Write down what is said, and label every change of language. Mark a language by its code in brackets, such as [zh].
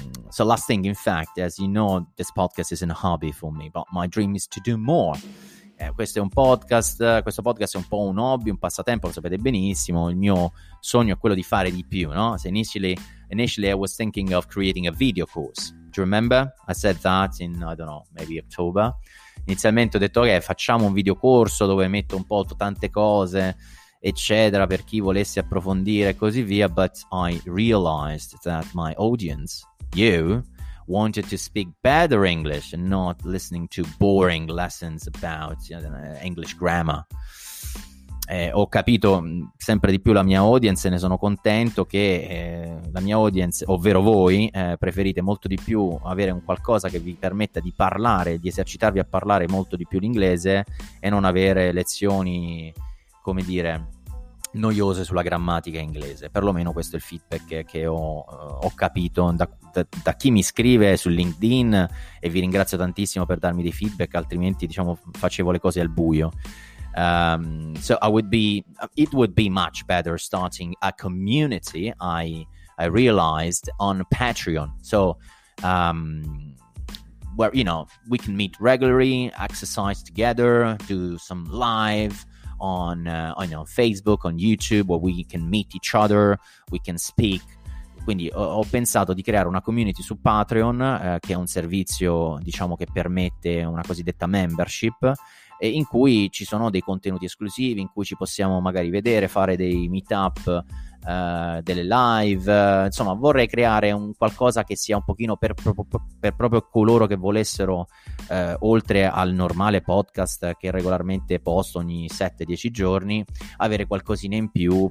[en] So last thing, in fact, as you know, this podcast is a hobby for me, but my dream is to do more. [it] Questo è un podcast, questo podcast è un po' un hobby, un passatempo, lo sapete benissimo. Il mio sogno è quello di fare di più, no? [en] So initially I was thinking of creating a video course. Do you remember? I said that in, I don't know, maybe October. [it] Inizialmente ho detto, ok, facciamo un video corso dove metto un po' tante cose, eccetera, per chi volesse approfondire e così via. [en] But I realized that my audience, you, wanted to speak better English and not listening to boring lessons about, you know, English grammar. [it] Ho capito sempre di più la mia audience e ne sono contento che la mia audience, ovvero voi, preferite molto di più avere un qualcosa che vi permetta di parlare, di esercitarvi a parlare molto di più l'inglese e non avere lezioni, come dire, noiose sulla grammatica inglese. Perlomeno questo è il feedback che ho capito da chi mi scrive su LinkedIn, e vi ringrazio tantissimo per darmi dei feedback, altrimenti, diciamo, facevo le cose al buio. [en] So it would be much better starting a community, I realized, on Patreon. So where, you know, we can meet regularly, exercise together, do some live on on Facebook, on YouTube, where we can meet each other, we can speak. [it] Quindi ho pensato di creare una community su Patreon, che è un servizio, diciamo, che permette una cosiddetta membership, e in cui ci sono dei contenuti esclusivi, in cui ci possiamo magari vedere, fare dei meetup, delle live, insomma, vorrei creare un qualcosa che sia un pochino per proprio coloro che volessero, oltre al normale podcast che regolarmente posto ogni 7-10 giorni, avere qualcosina in più.